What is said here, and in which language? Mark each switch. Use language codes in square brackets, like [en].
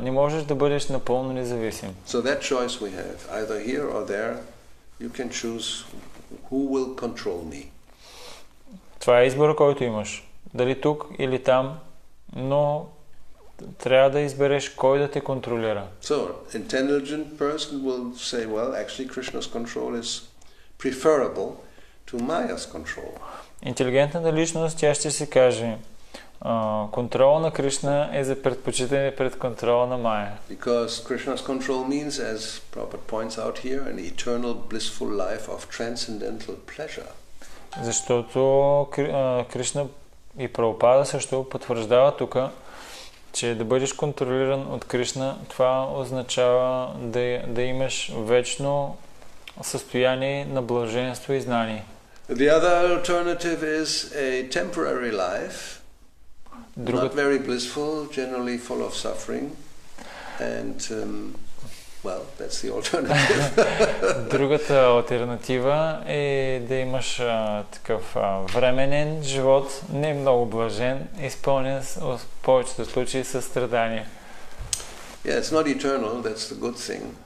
[bg] Не можеш да бъдеш напълно независим. [en] So that choice we have, either here or there, you can choose who will control me. [bg] Това е избора, който имаш. Дали тук или там, но трябва да избереш кой да те контролира. [en] So, intelligent person will say, well, actually Krishna's control is preferable to Maya's control. [bg] Интелигентната личност, тя ще си каже, контрол на Кришна е за предпочитане пред контрола на Майя. [en] Because Krishna's control means, as Prabhupada points out here, an eternal blissful life of transcendental pleasure. [bg] Защото Кришна и Прабхупада също потвърждава тук, че да бъдеш контролиран от Кришна, това означава да имаш вечно състояние на блаженство и знание. [en] The other alternative is a temporary life, not very blissful, generally full of suffering, and well, that's the alternative. [bg] Другата алтернатива е да имаш такъв временен живот, не много блажен, изпълнен в повечето случаи със страдания. [en] Yeah, it's not eternal, that's the good thing.